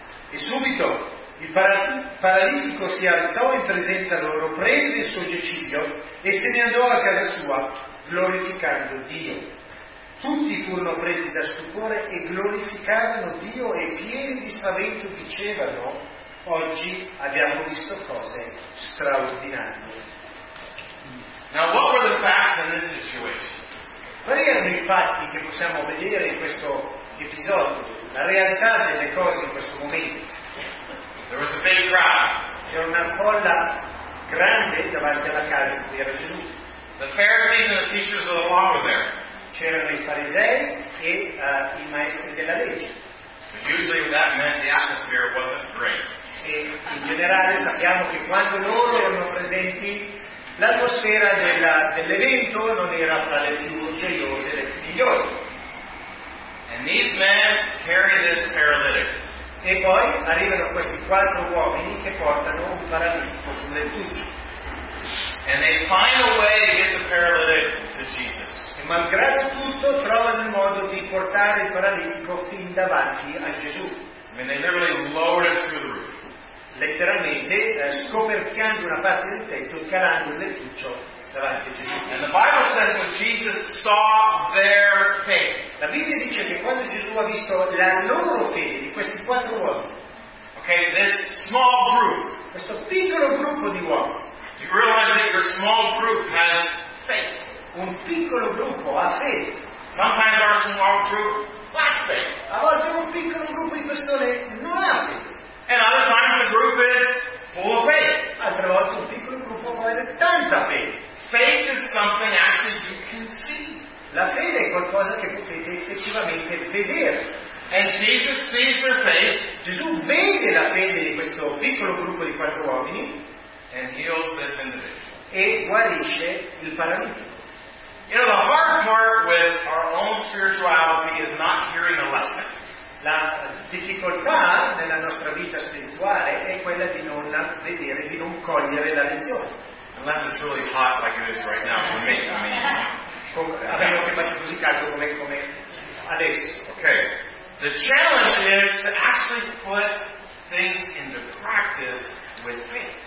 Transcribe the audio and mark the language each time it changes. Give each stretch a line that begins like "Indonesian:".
Italian: E subito il paralitico si alzò in presenza loro, prese il suo giaciglio e se ne andò a casa sua, glorificando Dio. Tutti furono presi da stupore e glorificarono Dio e pieni di spavento dicevano: oggi abbiamo visto cose straordinarie.
English: Now what were the facts in this situation?
Italian: Quali erano i fatti che possiamo vedere in questo episodio, la realtà delle cose in questo momento?
English: There was a big crowd.
Italian: C'era una folla grande davanti alla casa in cui era Gesù.
English: The Pharisees and the teachers of the law were there.
Italian: C'erano i farisei e i maestri della legge.
English: But usually that meant the atmosphere wasn't great.
Italian: E in generale sappiamo che quando loro erano presenti l'atmosfera dell'evento non era tra le più gioiose e le più migliori.
English: And these men carry this paralytic.
Italian: E poi arrivano questi quattro uomini che portano un paralitico sul lettuccio.
English: And they find a way to get the paralytic to Jesus.
Italian: E malgrado tutto trovano il modo di portare il paralitico fin davanti a Gesù.
English: mean, they literally lowered it through the roof.
Italian: Letteralmente scoperchiando una parte del tetto, calando il lettuccio davanti a Gesù.
English: And the Bible says when Jesus saw their faith.
Italian: La Bibbia dice che quando Gesù ha visto la loro fede di questi quattro uomini.
English: Okay, this small group.
Italian: Questo piccolo gruppo di uomini.
English: Do you realize that your small group has faith?
Italian: Un piccolo gruppo ha fede.
English: Sometimes our small group lacks faith.
Italian: A volte un piccolo gruppo di persone non ha fede.
English: And other times the group is full of faith.
Italian: Altre volte un piccolo gruppo può avere tanta fede.
English: Faith is something actually you can see.
Italian: La fede è qualcosa che potete effettivamente vedere.
English: And Jesus sees their faith.
Italian: Gesù vede la fede di questo piccolo gruppo di quattro uomini.
English: And heals this individual.
Italian: E guarisce il paralitico.
English: You know, the hard part with our own spirituality is not hearing a lesson.
Italian: La difficoltà nella nostra vita spirituale è quella di non vedere, di non cogliere la lezione.
English: Unless it's really hot like it is right now for me.
Italian: Avendo che faccio così caldo come adesso.
English: Okay. The challenge is to actually put things into practice with faith.